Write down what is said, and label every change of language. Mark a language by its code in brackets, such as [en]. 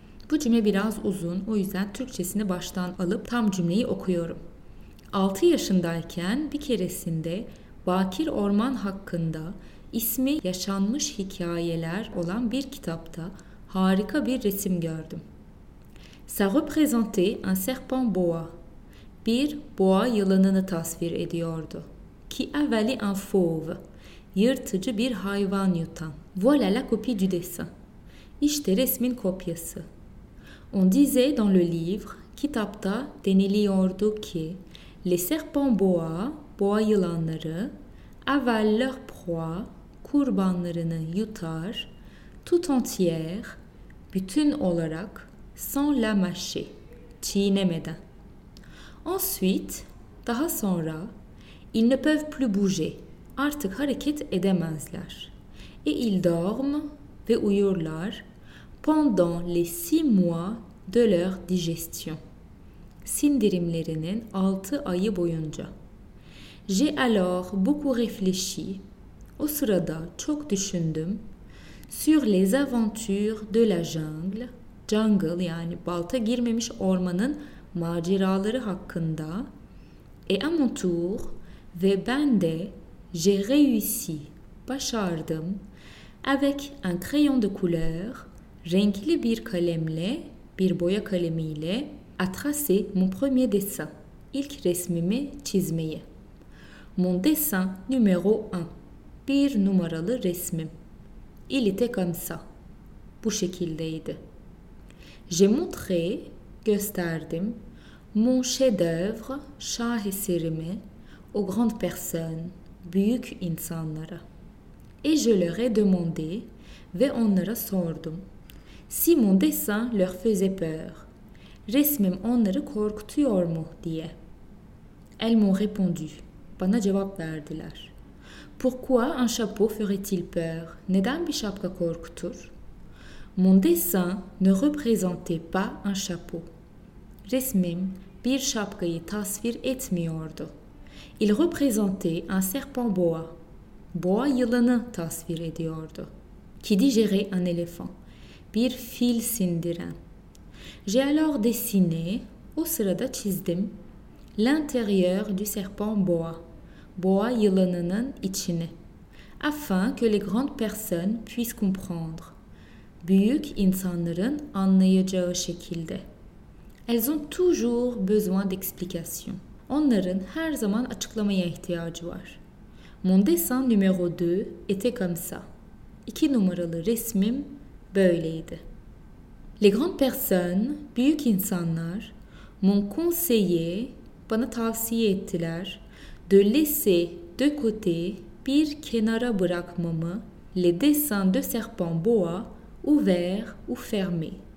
[tr] Bu cümle biraz uzun, o yüzden Türkçesini baştan alıp tam cümleyi okuyorum. 6 yaşındayken bir keresinde bakir orman hakkında ismi yaşanmış hikayeler olan bir kitapta harika bir resim gördüm. [fr] Ça représentait un serpent boa. [tr] Bir boa yılanını tasvir ediyordu. [fr] Qui avalait un fauve. [tr] Yırtıcı bir hayvan yutan. [fr] Voilà la copie du dessin. [tr] İşte resmin kopyası. [fr] On disait dans le livre, [tr] kitapta deniliyordu ki, [fr] les serpents boa, [tr] boa yılanları, [fr] avalent leur proie, [tr] kurbanlarını yutar, [fr] tout entière, [tr] bütün olarak, [fr] sans la mâcher, [tr] çiğnemeden. [fr] Ensuite, [tr] daha sonra, [fr] ils ne peuvent plus bouger, [tr] artık hareket edemezler. [fr] Et ils dorment, [tr] ve uyurlar, [fr] pendant les 6 mois, de leur digestion. [tr] Sindirimlerinin 6 ayı boyunca. [fr] J'ai alors beaucoup réfléchi. [tr] O sırada çok düşündüm. [fr] Sur les aventures de la jungle. [tr] Jungle yani balta girmemiş ormanın maceraları hakkında. [fr] Et à mon tour [tr] ve ben de [fr] j'ai réussi. [tr] Başardım. [fr] Avec un crayon de couleur. [tr] Renkli bir kalemle. Bir boya kalemiyle [fr] a tracé mon premier dessin, [tr] ilk resmimi çizmeyi. [fr] Mon dessin numéro 1, [tr] bir numaralı resmim. [fr] Il était comme ça, [tr] bu şekildeydi. [fr] J'ai montré, [tr] gösterdim, [fr] mon chef-d'œuvre, [tr] şaheserimi, [fr] aux grandes personnes, [tr] büyük insanlara. [fr] Et je leur ai demandé, [tr] ve onlara sordum. [fr] Si mon dessin leur faisait peur, [tr] resmim onları korkutuyor mu diye. [fr] Elles m'ont répondu, [tr] bana cevap verdiler. [fr] Pourquoi un chapeau ferait-il peur? [tr] Neden bir şapka korkutur? [fr] Mon dessin ne représentait pas un chapeau. [tr] Resmim bir şapkayı tasvir etmiyordu. [fr] Il représentait un serpent boa. [tr] Boa yılanı tasvir ediyordu. [fr] Qui digérait un éléphant. [tr] Bir fil sindiren. [fr] J'ai alors dessiné, [tr] o sırada çizdim, [fr] l'intérieur du serpent boa, [tr] boa yılanının içini, [fr] afin que les grandes personnes puissent comprendre, [tr] büyük insanların anlayacağı şekilde. [fr] Elles ont toujours besoin d'explication. [tr] Onların her zaman açıklamaya ihtiyacı var. [fr] Mon dessin numéro 2 était comme ça. [tr] İki numaralı resmim böyleydi. [fr] Les grandes personnes, [tr] büyük insanlar, [fr] mon conseiller, [tr] bana tavsiye ettiler, [fr] de laisser de côté, [tr] bir kenara bırakmamı, [fr] les dessins de serpent boa, ouvert ou fermé.